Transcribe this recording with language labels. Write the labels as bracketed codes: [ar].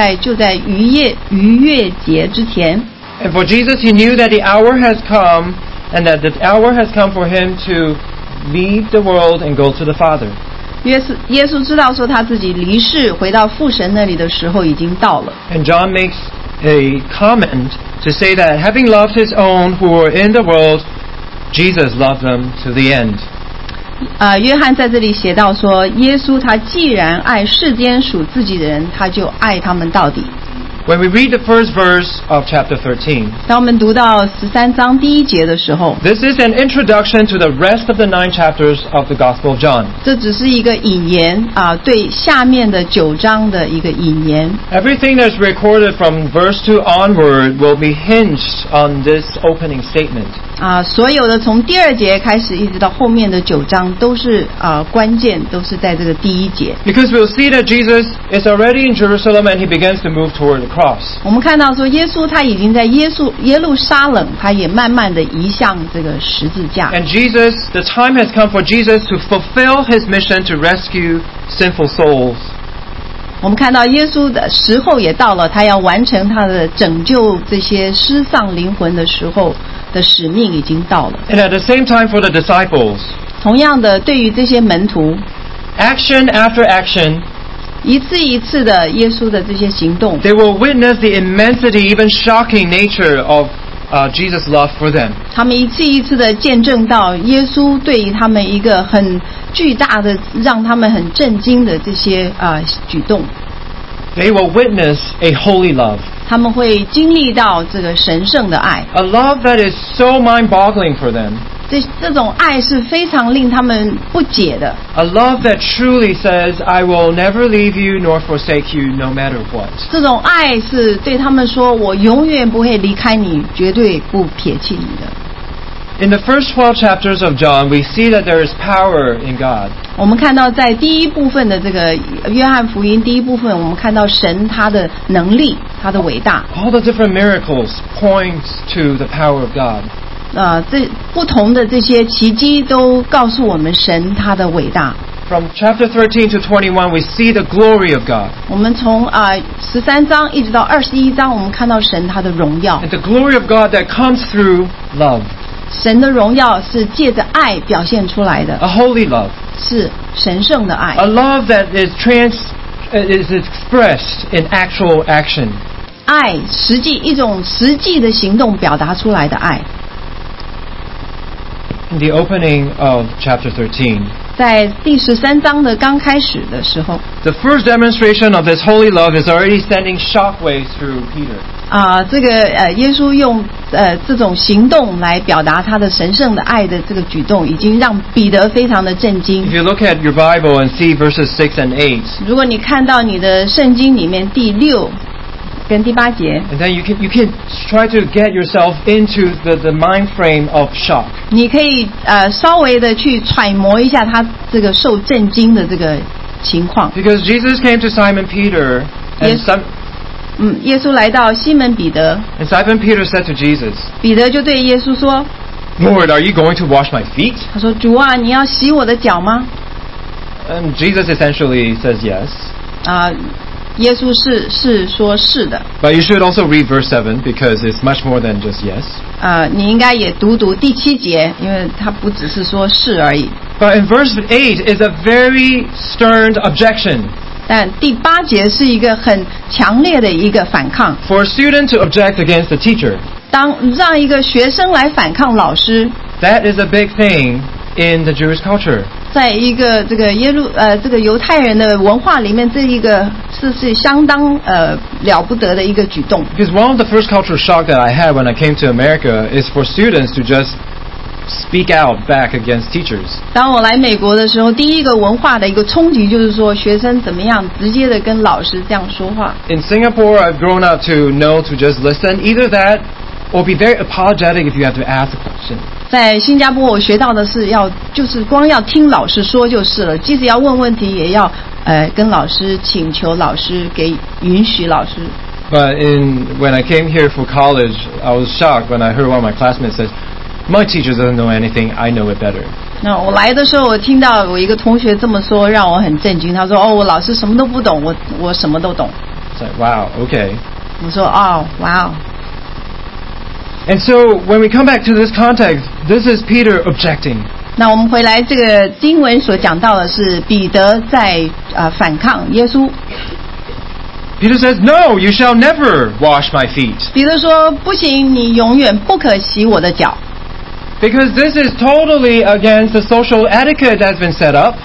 [zh] 我们看到说耶稣给这个新的命令是在就在逾越节之前。 [en] And for Jesus, he knew that the hour has come and that the hour has come for him to leave the world and go to the Father. [zh] 耶稣知道说他自己离世回到父神那里的时候已经到了。 [en] And John makes a comment to say that having loved his own who were in the world, Jesus loved them to the end. [zh] 约翰在这里写到说，耶稣他既然爱世间属自己的人，他就爱他们到底。 [en] When we read the first verse of chapter 13, [zh] 当我们读到13章第一节的时候， [en] This is an introduction to the rest of the 9 chapters of the Gospel of John. [zh] 这只是一个引言，对下面的9章的一个引言。 [en] Everything that's recorded from verse 2 onward will be hinged on this opening statement. [zh] 所有的从第二节开始一直到后面的9章都是关键，都是在这个第一节。 [en] Because we'll see that Jesus is already in Jerusalem and he begins to move toward cross. [zh] 我们看到说耶稣他已经在耶路撒冷，他也慢慢的移向这个十字架。 [en] And Jesus, the time has come for Jesus to fulfill his mission to rescue sinful souls. [zh] 我们看到耶稣的时候也到了，他要完成他的拯救这些失丧灵魂的时候的使命已经到了。 [en] And at the same time for the disciples. [zh] 同样的，对于这些门徒。 [en] Action after action. [zh] 一次一次的耶稣的这些行动。 [en] They will witness the immensity, even shocking nature of Jesus' love for them. [zh] 他们一次一次的见证到耶稣对于他们一个很巨大的让他们很震惊的这些举动。 [en] They will witness a holy love. [zh] 他们会经历到这个神圣的爱。 [en] A love that is so mind-boggling for them. [zh] 这种爱是非常令他们不解的。 [en] A love that truly says, I will never leave you nor forsake you no matter what. [zh] 这种爱是对他们说，我永远不会离开你，绝对不撇弃你的。 [en] In the first 12 chapters of John, we see that there is power in God. [zh] 我们看到在第一部分的这个约翰福音第一部分，我们看到神他的能力，他的伟大。 [en] All the different miracles point to the power of God. [zh] 这不同的这些奇迹都告诉我们神他的伟大。 [en] From chapter 13 to 21, we see the glory of God. [zh] 我们从13章一直到21章，我们看到神他的荣耀。 [en] And the glory of God that comes through love. [zh] 神的荣耀是借着爱表现出来的。 [en] A holy love. [zh] 是神圣的爱。 [en] A love that is expressed in actual action. [zh] 爱，实际，一种实际的行动表达出来的爱。 [en] In the opening of chapter 13. [zh] 在第十三章的刚开始的时候。 [en] The first demonstration of this holy love is already sending shockwaves through Peter. [zh] 这个耶稣用这种行动来表达他的神圣的爱的这个举动，已经让彼得非常的震惊。 [en] If you look at your Bible and see verses 6 and 8, [zh] 如果你看到你的圣经里面第六跟第八节 [en] ，and then you can try to get yourself into the mind frame of shock. [zh] 你可以稍微的去揣摩一下他这个受震惊的这个情况。 [en] Because Jesus came to Simon Peter and some. [zh] 耶稣来到西门彼得。 [en] And Simon Peter said to Jesus, [zh] 彼得就对耶稣说, [en] Lord, are you going to wash my feet? [zh] 他说, 主啊, 你要洗我的脚吗? [en] And Jesus essentially says yes. [zh] 耶稣是说是的。 [en] But you should also read verse 7 because it's much more than just yes. [zh] 你应该也读读第七节，因为他不只是说是而已。 [en] But in verse 8 is a very stern objection. [zh] 但第八节是一个很强烈的一个反抗。 [en] For a student to object against the teacher, [zh] 当让一个学生来反抗老师。 [en] That is a big thing in the Jewish culture. [zh] 在一个这个这个犹太人的文化里面，这一个是相当了不得的一个举动。 [en] Because one of the first cultural shock that I had when I came to America is for students to just. Speak out back against teachers. [zh] 当我来美国的时候，第一个文化的一个冲击就是说，学生怎么样直接的跟老师这样说话。 [en] In Singapore, I've grown up to know to just listen. Either that, or be very apologetic if you have to ask a question. [zh] 在新加坡，我学到的是要就是光要听老师说就是了，即使要问问题，也要跟老师请求老师给允许老师。 [en] But when I came here for college, I was shocked when I heard one of my classmates said. My teacher doesn't know anything. I know it better. [zh] 那我来的时候，我听到我一个同学这么说，让我很震惊。他说：“哦，我老师什么都不懂，我什么都懂。” [en] Wow. Okay. [zh] 我说：“哦 ， [en] Wow.” And so when we come back to this context, this is Peter objecting. [zh] 那我们回来这个经文所讲到的是彼得在反抗耶稣。 [en] Peter says, "No, you shall never wash my feet." [zh] 彼得说：“不行，你永远不可洗我的脚。” [en] Because this is totally against the social etiquette that's been set up.